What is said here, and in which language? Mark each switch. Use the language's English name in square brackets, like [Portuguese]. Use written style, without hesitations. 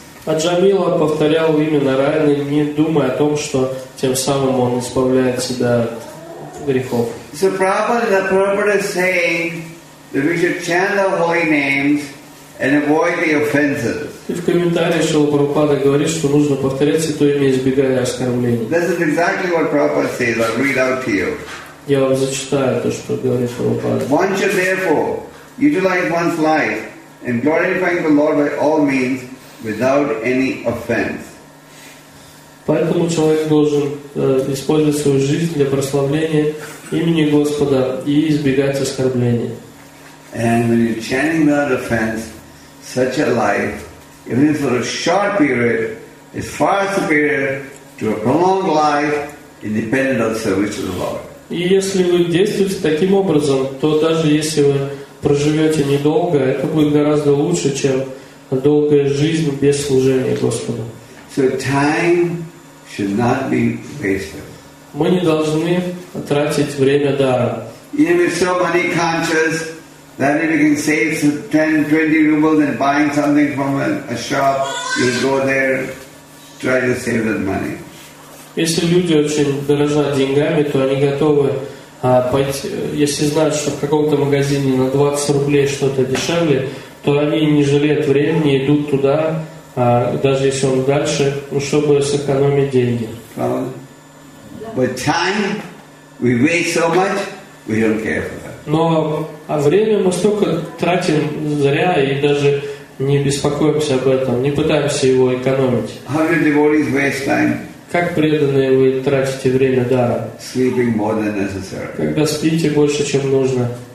[Russian] Аджамила повторял имя Нараяны, не думая о том, что тем самым он избавляет себя от грехов. [English] So Prabhupada is saying that we should chant the holy names and avoid the offenses. [Russian] И в комментарии Шрила Прабхупада говорит, что нужно повторять Святое Имя, избегая оскорблений. [English] This is exactly what Prabhupada says. I'll read out to you. [Russian] Я вам зачитаю то, что говорит Прабхупада. [English] One should therefore utilize one's life in glorifying the Lord by all means without any offense. [Russian] Поэтому человек должен использовать свою жизнь для прославления имени Господа и избегать оскорблений. [English] And when you're chanting without offense, such a life, even for a short period, is far superior to a prolonged life independent of service to the Lord. [Russian] И если вы действуете таким образом, то даже если вы проживете недолго, это будет гораздо лучше, чем долгая жизнь без служения Господу. [English] So time should not be wasted. [Russian] Мы не должны тратить время даром. [English] Even if you're so money conscious that if you can save 10-20 rubles and buying something from a shop, you'll go there, try to save that money. [Russian] Если люди очень дорожат деньгами, то они готовы пойти, если знают, что в каком-то магазине на 20 рублей что-то дешевле, то они не жалеют времени, идут туда, даже если он дальше, ну, чтобы сэкономить деньги. [English] But time, we waste so much, we don't care for that. [Russian] Но время мы столько тратим зря и даже не беспокоимся об этом, не пытаемся его экономить. [English] How many devotees waste time? [Russian] Как преданные вы тратите время даром? [English] Sleeping more than necessary. [Russian] Когда спите больше, чем нужно.